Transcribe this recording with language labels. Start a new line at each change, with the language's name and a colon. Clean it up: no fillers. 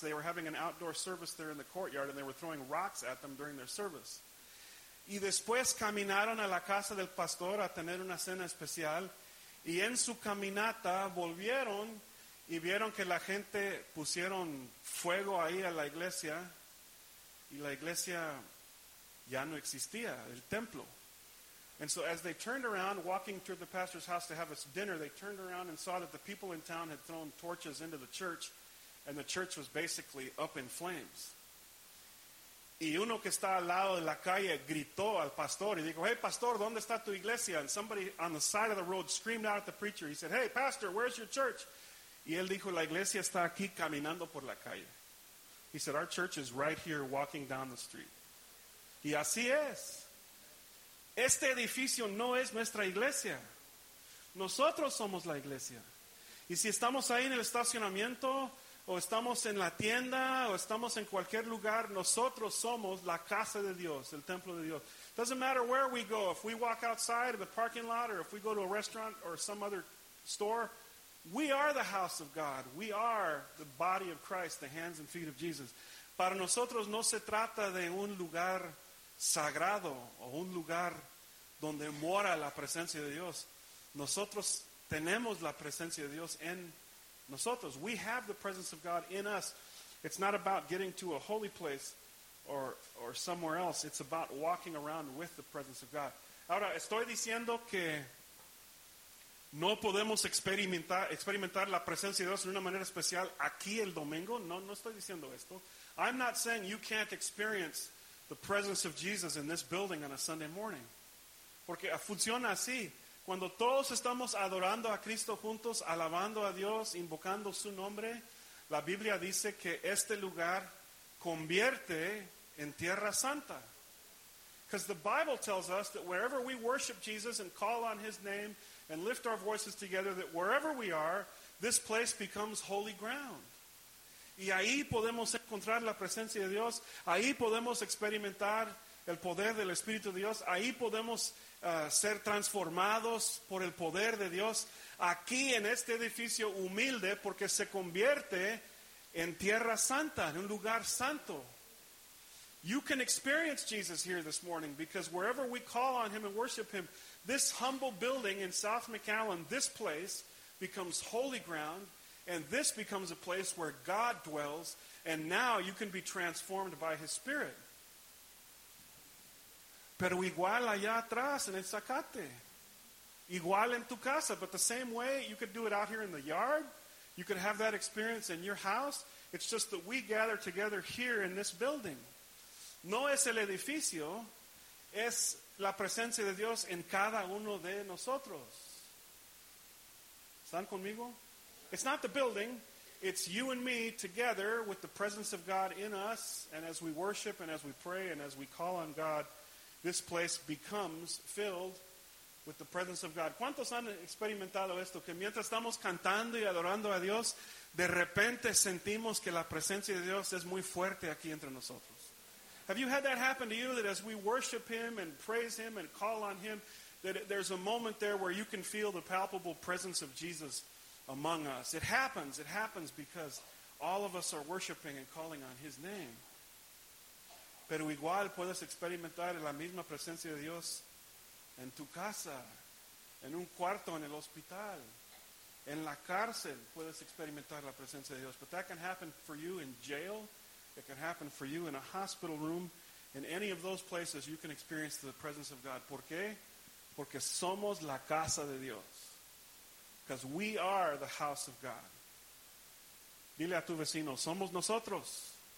English: They were having an outdoor service there in the courtyard. And they were throwing rocks at them during their service.
Spanish: Y después caminaron a la casa del pastor a tener una cena especial. Y en su caminata volvieron y vieron que la gente pusieron fuego ahí a la iglesia y la iglesia ya no existía, el templo.
English: And so as they turned around, walking through the pastor's house to have his dinner, they turned around and saw that the people in town had thrown torches into the church and the church was basically up in flames.
Spanish: Y uno que está al lado de la calle gritó al pastor y dijo, hey, pastor, ¿dónde está tu iglesia?
English: And somebody on the side of the road screamed out at the preacher. He said, hey, pastor, where's your church?
Spanish: Y él dijo, la iglesia está aquí caminando por la calle.
English: He said, our church is right here walking down the street.
Spanish: Y así es. Este edificio no es nuestra iglesia. Nosotros somos la iglesia. Y si estamos ahí en el estacionamiento, o estamos en la tienda, o estamos en cualquier lugar, nosotros somos la casa de Dios, el templo de Dios.
English: Doesn't matter where we go. If we walk outside of the parking lot, or if we go to a restaurant or some other store, we are the house of God. We are the body of Christ, the hands and feet of Jesus.
Spanish: Para nosotros no se trata de un lugar sagrado o un lugar donde mora la presencia de Dios. Nosotros tenemos la presencia de Dios en nosotros.
English: We have the presence of God in us. It's not about getting to a holy place or somewhere else. It's about walking around with the presence of God.
Spanish: Ahora, estoy diciendo que no podemos experimentar la presencia de Dios en una manera especial aquí el domingo. No estoy diciendo esto.
English: I'm not saying you can't experience the presence of Jesus in this building on a Sunday morning.
Spanish: Porque funciona así. Cuando todos estamos adorando a Cristo juntos, alabando a Dios, invocando su nombre, la Biblia dice que este lugar convierte en tierra santa.
English: Because the Bible tells us that wherever we worship Jesus and call on his name and lift our voices together, that wherever we are, this place becomes holy ground.
Spanish: Y ahí podemos encontrar la presencia de Dios. Ahí podemos experimentar el poder del Espíritu de Dios. Ahí podemos ser transformados por el poder de Dios. Aquí en este edificio humilde, porque se convierte en tierra santa, en un lugar santo.
English: You can experience Jesus here this morning, because wherever we call on him and worship him, this humble building in South McAllen, this place becomes holy ground, and this becomes a place where God dwells, and now you can be transformed by his Spirit.
Spanish: Pero igual allá atrás, en el Zacate. Igual en tu casa.
English: But the same way, you could do it out here in the yard. You could have that experience in your house. It's just that we gather together here in this building.
Spanish: No es el edificio, es la presencia de Dios en cada uno de nosotros. ¿Están conmigo?
English: It's not the building. It's you and me together with the presence of God in us. And as we worship and as we pray and as we call on God, this place becomes filled with the presence of God.
Spanish: ¿Cuántos han experimentado esto? Que mientras estamos cantando y adorando a Dios, de repente sentimos que la presencia de Dios es muy fuerte aquí entre nosotros.
English: Have you had that happen to you, that as we worship him and praise him and call on him, that there's a moment there where you can feel the palpable presence of Jesus among us? It happens. It happens because all of us are worshiping and calling on his name.
Spanish: Pero igual puedes experimentar la misma presencia de Dios en tu casa, en un cuarto en el hospital, en la cárcel puedes experimentar la presencia de Dios.
English: But that can happen for you in jail. It can happen for you in a hospital room. In any of those places, you can experience the presence of God.
Spanish: ¿Por qué? Porque somos la casa de Dios.
English: Because we are the house of God.
Spanish: Dile a tu vecino, somos nosotros.